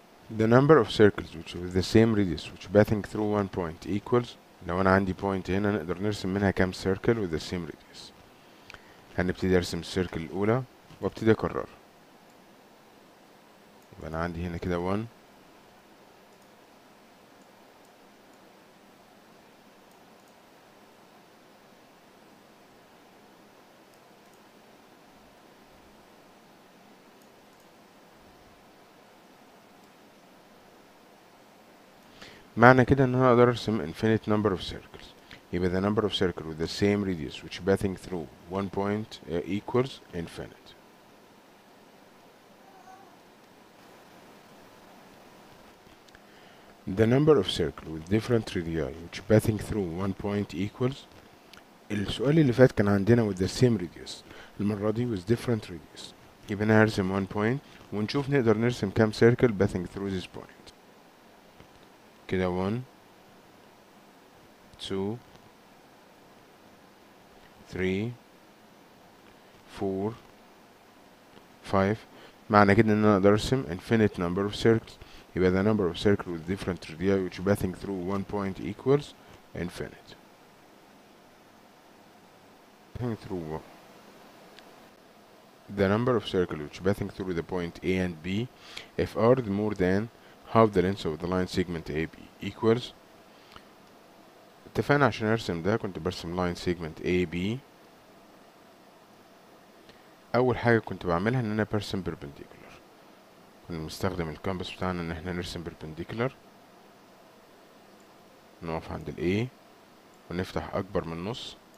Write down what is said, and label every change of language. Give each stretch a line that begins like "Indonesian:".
English: The number of circles which with the same radius which passing through one point equals
Arabic: لو انا عندي point هنا نقدر نرسم منها كام
English: circle with the same radius.
Arabic: هنبتدي ارسم السيركل الاولى وابتدي اكرر. يبقى انا عندي هنا كده 1 معنى كده ان انا اقدر ارسم
English: infinite number of circles. يبقى the number of circles with the same radius which passing through one point equals infinite. The number of circles with different radii which passing through one point equals
Arabic: السؤال اللي فات كان عندنا
English: with the same radius
Arabic: المرة دي
English: with different radius.
Arabic: يبقى انا هرسم one point ونشوف نقدر نرسم كام circle
English: passing through this point.
Arabic: كده 1 2 3 4 5 معنى كده ان انا اقدر ارسم
English: infinite number of circles. يبقى the number of circles with different radii which passing through one point equals infinite. The number of circles which passing through the point A and B if are more than half the length of the line segment AB equals
Arabic: اتفقنا عشان ارسم ده كنت برسم
English: line segment AB.
Arabic: اول حاجة كنت بعملها ان انا برسم perpendicular. كنا بنستخدم الكامبس بتاعنا ان احنا نرسم perpendicular. نقف عند ال A ونفتح اكبر من نص.